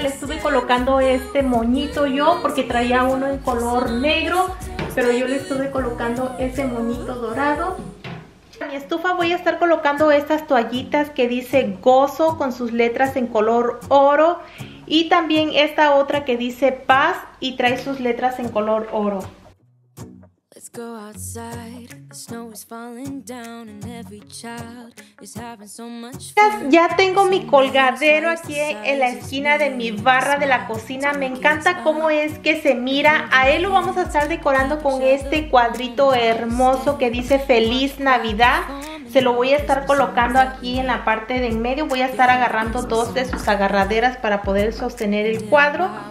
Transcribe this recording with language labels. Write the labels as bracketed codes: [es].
[es] Le estuve colocando este moñito yo porque traía uno en color negro, pero yo le estuve colocando ese moñito dorado. En mi estufa voy a estar colocando estas toallitas que dice gozo con sus letras en color oro y también esta otra que dice paz y trae sus letras en color oro. [en] Let's go outside. The snow is falling down and every child is having so much fun. [es] Ya tengo mi colgadero aquí en la esquina de mi barra de la cocina. Me encanta cómo es que se mira. A él lo vamos a estar decorando con este cuadrito hermoso que dice Feliz Navidad. se lo voy a estar colocando aquí en la parte de en medio. Voy a estar agarrando dos de sus agarraderas para poder sostener el cuadro.